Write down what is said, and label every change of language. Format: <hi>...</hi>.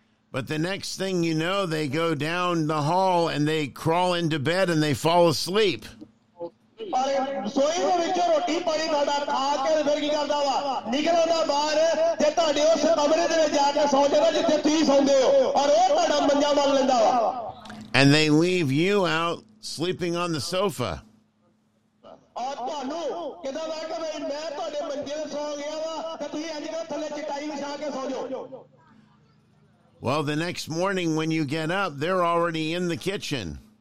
<en>But the next thing you know, they go down the hall and they crawl into bed and they fall asleep.</en> <pa>ਪਰ ਰਸੋਈ ਦੇ ਵਿੱਚ ਰੋਟੀ ਪਾਣੀ ਤੁਹਾਡਾ ਖਾ ਕੇ ਫਿਰ ਕੀ ਕਰਦਾ ਵਾ ਨਿਕਲਦਾ ਬਾਹਰ ਤੇ ਤੁਹਾਡੇ ਉਸ ਕਮਰੇ ਦੇ ਵਿੱਚ ਜਾ ਕੇ ਸੌ ਜਾਂਦਾ ਜਿੱਥੇ ਤੁਸੀਂ ਸੌਂਦੇ ਹੋ ਔਰ ਉਹ ਤੁਹਾਡਾ ਮੰਜਾ ਮੰਨ ਲੈਂਦਾ ਵਾ</pa> <en>and they leave you out sleeping on the sofa</en> <pa>ਔਰ ਤੁਹਾਨੂੰ ਕਿਦਾਂ ਲੱਗ ਕੇ ਬਈ ਮੈਂ ਤੁਹਾਡੇ ਮੰਜੇ ਤੇ ਸੌ ਗਿਆ ਵਾ ਤੇ ਤੁਸੀਂ ਅੱਜ ਕੱਲ੍ਹ ਥੱਲੇ ਚਟਾਈ ਵਿਛਾ ਕੇ ਸੌ ਜਾਓ</pa> <en>Well, the next morning when you get up, they're already in the kitchen.</en>